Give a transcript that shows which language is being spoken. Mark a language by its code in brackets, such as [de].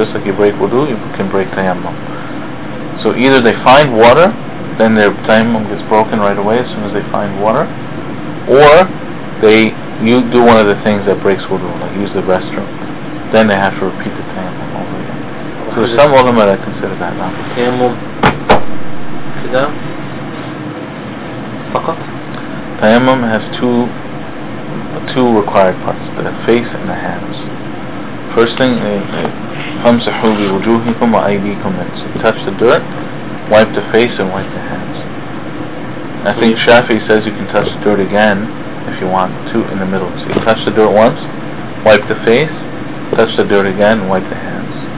[en] Just like you break wudu, you can break tayammum. So either they find water, then their tayammum gets broken right away as soon as they find water, or you do one of the things that breaks wudu, like use the restroom. Then they have to repeat the tayammum over again. So there's some ulama that consider that now. [ar] Tayammum. Kida? Fakat? [en] Tayammum has two required parts, the face and the hands. First thing, [ar] فَمْسَحُوا بِوُجُوهِكُمْ وَأَيْدِيكُمْ مِنْ. [en] So touch the dirt, wipe the face, and wipe the hands. I think Shafi says you can touch the dirt again, if you want to, in the middle. So you touch the dirt once, wipe the face, touch the dirt again, wipe the hands.